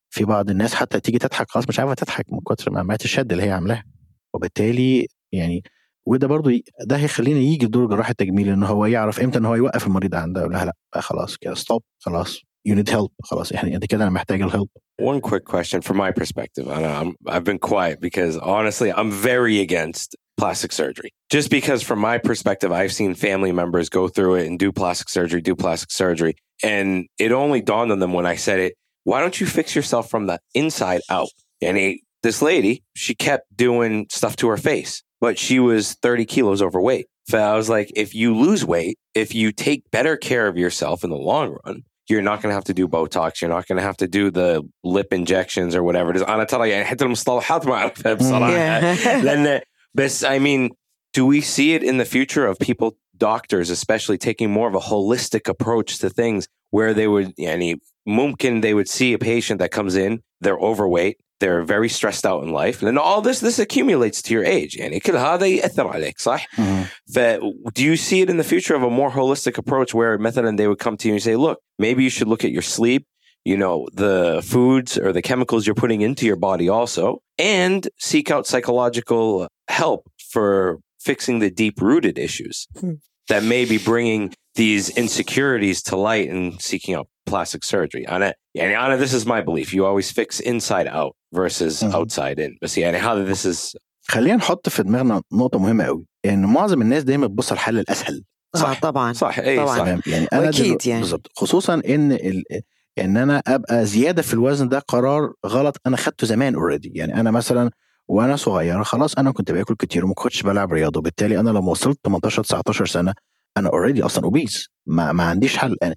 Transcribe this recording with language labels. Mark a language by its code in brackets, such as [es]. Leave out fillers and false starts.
[ar] في بعض الناس حتى تيجي تضحك خلاص مش عارفة تضحك من كتر ما عملت الشد اللي هي عاملاه. وبالتالي يعني وده برضو ده هيخلينا يجي دور جراح التجميل إنه هو يعرف إمتى إنه هو يوقف المريض عنده ولا لا خلاص كده [en] stop [ar] خلاص [en] you need help [ar] خلاص إحنا أنت كده أنا محتاج الهلب. [en] One quick question from my perspective. I've been quiet because honestly I'm very against plastic surgery. Just because from my perspective I've seen family members go through it and do plastic surgery and it only dawned on them when I said it, why don't you fix yourself from the inside out? And this lady, she kept doing stuff to her face. But she was 30 kilos overweight. So I was like, if you lose weight, if you take better care of yourself in the long run, you're not going to have to do Botox. You're not going to have to do the lip injections or whatever it is. [ar] أنا طلع يعني حتى المصطلحات ما أعرف بصراحة. [en] But I mean, do we see it in the future of people, doctors especially, taking more of a holistic approach to things where they would, [ar] يعني ممكن [en] they would see a patient that comes in, they're overweight, they're very stressed out in life, and all this accumulates to your age. [ar] يعني كل هذا يأثر عليك صح. [en] Do you see it in the future of a more holistic approach where مثلا they would come to you and say, look, maybe you should look at your sleep, you know, the foods or the chemicals you're putting into your body also, and seek out psychological help for fixing the deep rooted issues that may be bringing these insecurities to light and seeking out plastic surgery. Anna, this is my belief. You always fix inside out versus outside in. [ar] بس يعني هذا [en] this is [ar] خلينا نحط في دماغنا نقطة مهمة قوي. يعني معظم الناس دايما بتبص على الحل الأسهل. صح طبعا. يعني أنا أكيد يعني. بالضبط. خصوصا إن أنا أبقى زيادة في الوزن ده قرار غلط أنا خدته زمان already. يعني أنا مثلا وأنا صغير خلاص أنا كنت بأكل كتير وما كنتش بلعب رياضة، وبالتالي أنا لما وصلت 18-19 سنة أنا already أصلا obese. ما عنديش حل.